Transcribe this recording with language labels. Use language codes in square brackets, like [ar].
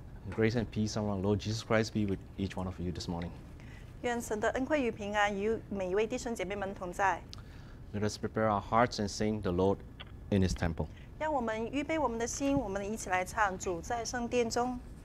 [en] grace and peace from our Lord Jesus Christ be with each one of you this morning. [zh] 愿神的恩惠与平安与每一位弟兄姐妹们同在。 [en] Let us prepare our hearts and sing the Lord in His temple. [zh] 让我们预备我们的心，我们一起来唱主在圣殿中。